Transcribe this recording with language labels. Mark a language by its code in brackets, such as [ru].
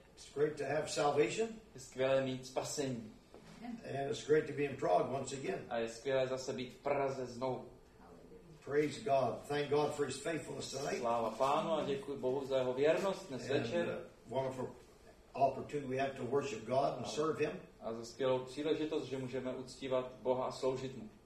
[en] It's great to have salvation. [cs] Je skvělé mít spasení. [en] And it's great to be in Prague once again. [cs] A je skvělé zase být v Praze znovu. [en] Praise God. Thank God for his faithfulness tonight. [cs] Sláva Pánu a děkuji Bohu za jeho věrnost dnes večer. [en] Wonderful opportunity we have to worship God and serve him. [cs] A za skvělou příležitost, že můžeme uctívat Boha a sloužit mu.